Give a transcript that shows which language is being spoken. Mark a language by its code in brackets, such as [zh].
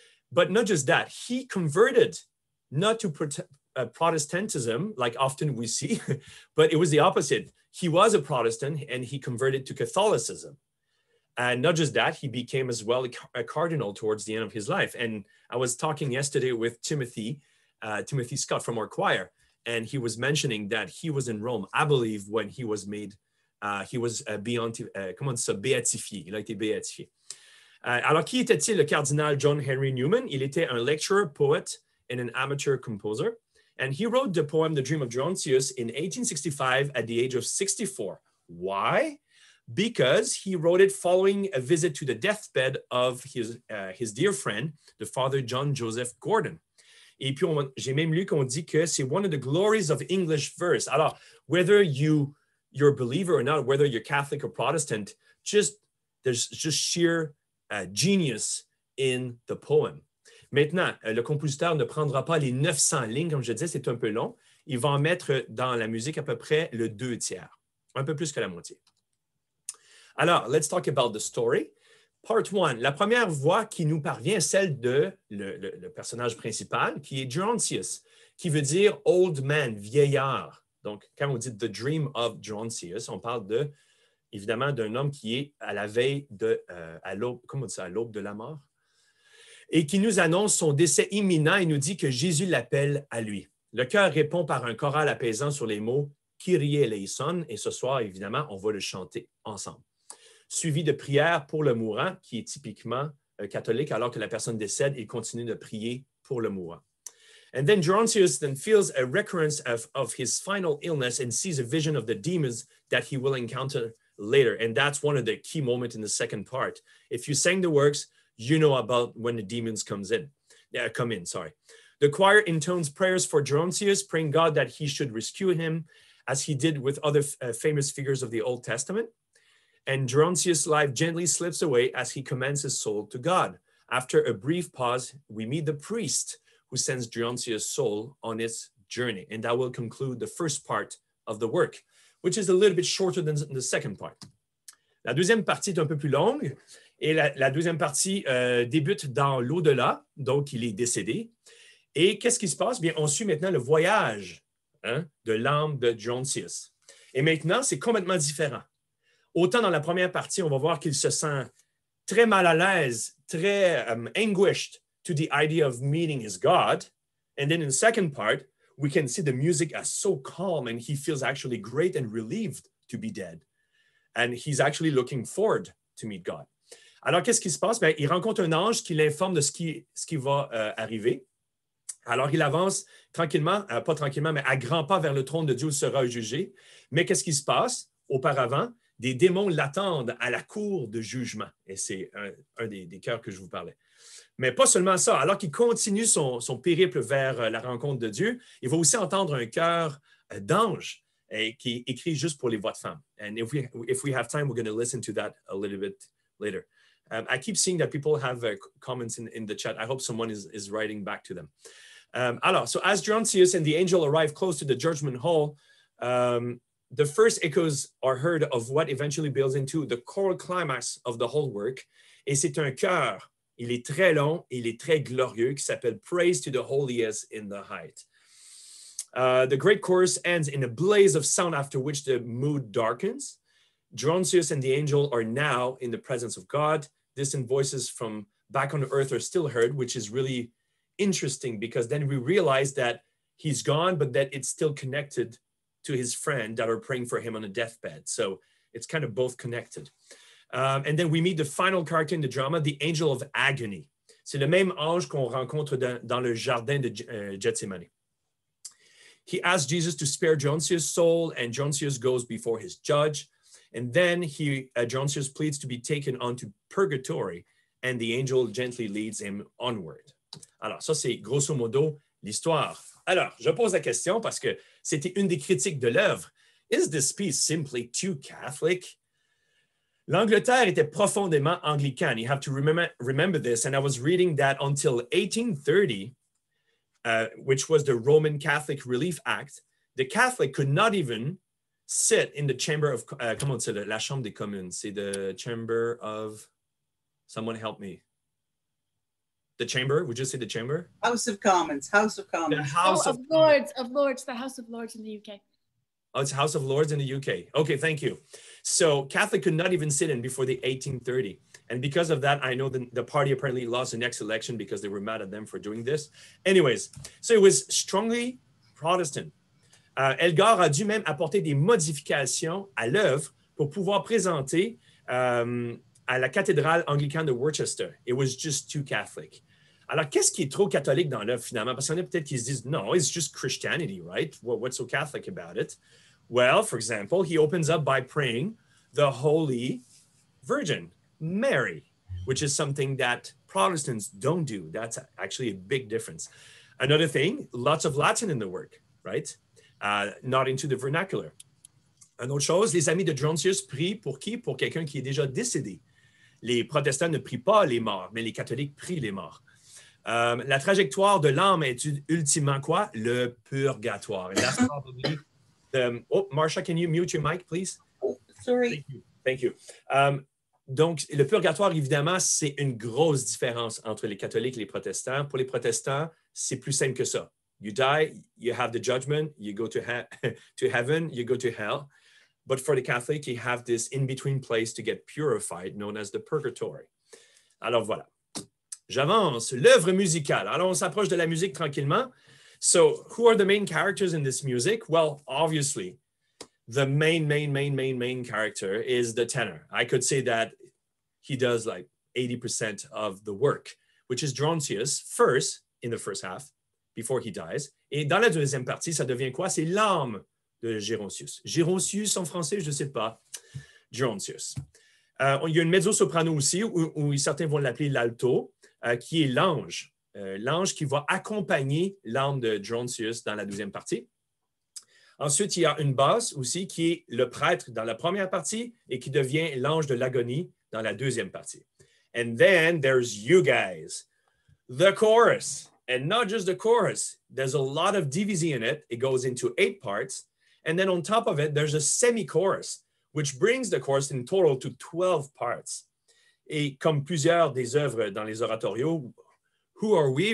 [en] But not just that, he converted not to Protestantism, like often we see, but it was the opposite. He was a Protestant and he converted to Catholicism. And not just that, he became as well a cardinal towards the end of his life. And I was talking yesterday with Timothy Scott from our choir, and he was mentioning that he was in Rome, I believe, when he was made, he was beyond, [fr] comment ça, béatifié, il a été béatifié. Alors, qui était-il le cardinal John Henry Newman? Il était un lecturer, poet, and an amateur composer. [en] And he wrote the poem, The Dream of Gerontius, in 1865 at the age of 64. Why? Because he wrote it following a visit to the deathbed of his dear friend, the father John Joseph Gordon. [fr] Et puis, j'ai même lu qu'on dit que c'est [en] one of the glories of English verse. Alors, whether you're a believer or not, whether you're Catholic or Protestant, there's just sheer genius in the poem. [fr] Maintenant, le compositeur ne prendra pas les 900 lignes, comme je disais, c'est un peu long. Il va en mettre dans la musique à peu près le 2/3, un peu plus que la moitié. Alors, [en] let's talk about the story. [fr] Part 1, la première voix qui nous parvient, celle de le personnage principal, qui est Gerontius, qui veut dire « [en] old man [fr] », vieillard. Donc, quand on dit « the dream of Gerontius », on parle de évidemment, d'un homme qui est à la veille de, à l'aube, comment on dit ça, à l'aube de la mort, et qui nous annonce son décès imminent et nous dit que Jésus l'appelle à lui. Le cœur répond par un choral apaisant sur les mots « Kyrie eleison » et ce soir, évidemment, on va le chanter ensemble. Suivi de prières pour le mourant, qui est typiquement catholique, alors que la personne décède, il continue de prier pour le mourant. [en] And then Gerontius then feels a recurrence of his final illness and sees a vision of the demons that he will encounter later. And that's one of the key moments in the second part. If you sang the works, you know about when the demons come in. The choir intones prayers for Gerontius, praying God that he should rescue him as he did with other famous figures of the Old Testament. And Gerontius' life gently slips away as he commends his soul to God. After a brief pause, we meet the priest who sends Gerontius' soul on its journey. And that will conclude the first part of the work, which is a little bit shorter than the second part. [fr] La deuxième partie est un peu plus longue. Et la deuxième partie débute dans l'au-delà, donc il est décédé. Et qu'est-ce qui se passe? Bien, on suit maintenant le voyage de l'âme de Gerontius. Et maintenant, c'est complètement différent. Autant dans la première partie, on va voir qu'il se sent très mal à l'aise, très [en] anguished to the idea of meeting his God. And then in the second part, we can see the music as so calm and he feels actually great and relieved to be dead. And he's actually looking forward to meet God. [fr] Alors, qu'est-ce qui se passe? Bien, il rencontre un ange qui l'informe de ce qui va arriver. Alors, il avance tranquillement, pas tranquillement, mais à grands pas vers le trône de Dieu où il sera jugé. Mais qu'est-ce qui se passe? Auparavant, des démons l'attendent à la cour de jugement. Et c'est un des cœurs que je vous parlais. Mais pas seulement ça, alors qu'il continue son périple vers la rencontre de Dieu, il va aussi entendre un cœur d'ange qui écrit juste pour les voix de femmes. [en] And if we have time, we're going to listen to that a little bit later. I keep seeing that people have comments in the chat. I hope someone is writing back to them. Alors, so as Gerontius and the angel arrive close to the judgment hall, the first echoes are heard of what eventually builds into the choral climax of the whole work. [fr] Et c'est un cœur, il est très long, il est très glorieux, qui s'appelle Praise to the Holiest in the Height. [en] The great chorus ends in a blaze of sound after which the mood darkens. Gerontius and the angel are now in the presence of God. Distant voices from back on earth are still heard, which is really interesting because then we realize that he's gone, but that it's still connected to his friend that are praying for him on a deathbed. So it's kind of both connected. And then we meet the final character in the drama, the angel of agony. [fr] C'est le même ange qu'on rencontre dans le jardin de Gethsemane. [en] He asks Jesus to spare Gerontius' soul, and Gerontius goes before his judge. And then Gerontius pleads to be taken onto purgatory, and the angel gently leads him onward. [fr] Alors, ça, c'est grosso modo l'histoire. Alors, je pose la question parce que c'était une des critiques de l'œuvre. [en] Is this piece simply too Catholic? [fr] L'Angleterre était profondément anglicane. [en] You have to remember this. And I was reading that until 1830, which was the Roman Catholic Relief Act, the Catholic could not even sit in the chamber of, [fr] comment on dit ça, la chambre des communes. C'est [en] the chamber of, someone help me. The chamber, would you say the chamber? House of Commons. The House of Lords, the House of Lords in the UK. Oh, it's House of Lords in the UK. Okay, thank you. So Catholic could not even sit in before the 1830. And because of that, I know the party apparently lost the next election because they were mad at them for doing this. Anyways, so it was strongly Protestant. [fr] Elgar a dû même apporter des modifications à l'œuvre pour pouvoir présenter à la cathédrale anglicane de Worcester. [en] It was just too Catholic. [fr] Alors, qu'est-ce qui est trop catholique dans l'œuvre, finalement? Parce qu'il y en a peut-être qui se disent, non, [en] it's just Christianity, right? What's so Catholic about it? Well, for example, he opens up by praying the Holy Virgin, Mary, which is something that Protestants don't do. That's actually a big difference. Another thing, lots of Latin in the work, right? Not into the vernacular. [fr] Une autre chose, les amis de Gerontius prient pour qui? Pour quelqu'un qui est déjà décédé. Les protestants ne prient pas les morts, mais les catholiques prient les morts. La trajectoire de l'âme est ultimement quoi? Le purgatoire. [en] That's probably Marsha, can you mute your mic, please? Oh, sorry. Thank you. [fr] Donc, le purgatoire, évidemment, c'est une grosse différence entre les catholiques et les protestants. Pour les protestants, c'est plus simple que ça. [en] You die, you have the judgment, you go to heaven, you go to hell. But for the Catholic, you have this in-between place to get purified, known as the purgatory. [fr] Alors voilà. J'avance. L'œuvre musicale. Alors on s'approche de la musique tranquillement. [en] So, who are the main characters in this music? Well, obviously, the main character is the tenor. I could say that he does like 80% of the work, which is Gerontius first, in the first half, before he dies. [fr] Et dans la deuxième partie, ça devient quoi? C'est l'âme de Gerontius. Gerontius en français, je ne sais pas. Gerontius. Il y a une mezzo-soprano aussi, où certains vont l'appeler l'alto, qui est l'ange. L'ange qui va accompagner l'âme de Gerontius dans la deuxième partie. Ensuite, il y a une basse aussi qui est le prêtre dans la première partie et qui devient l'ange de l'agonie dans la deuxième partie. [en] And then there's you guys, the chorus. And not just the chorus, there's a lot of divisi in it. It goes into 8 parts. And then on top of it, there's a semi-chorus, which brings the chorus in total to 12 parts. [fr] Et comme plusieurs des œuvres dans les oratorios, [en] who are we?